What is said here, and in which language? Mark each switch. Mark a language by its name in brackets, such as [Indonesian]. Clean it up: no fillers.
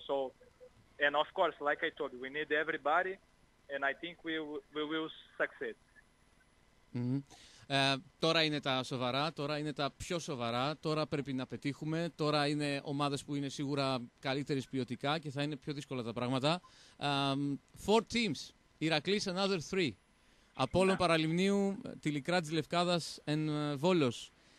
[English] So, and of course, like I told, we need everybody, and I think we will succeed. Mm-hmm. [Greek] Τώρα είναι τα σοβαρά, τώρα είναι τα πιο σοβαρά, τώρα πρέπει να πετύχουμε, τώρα είναι ομάδες που είναι σίγουρα καλύτερες ποιοτικά και θα είναι πιο δύσκολα τα πράγματα. [English] Four teams, Ηρακλής, another three. [Greek] Απόλλων ναι. Παραλιμνίου, Τηλικράτης Λευκάδας and Βόλος.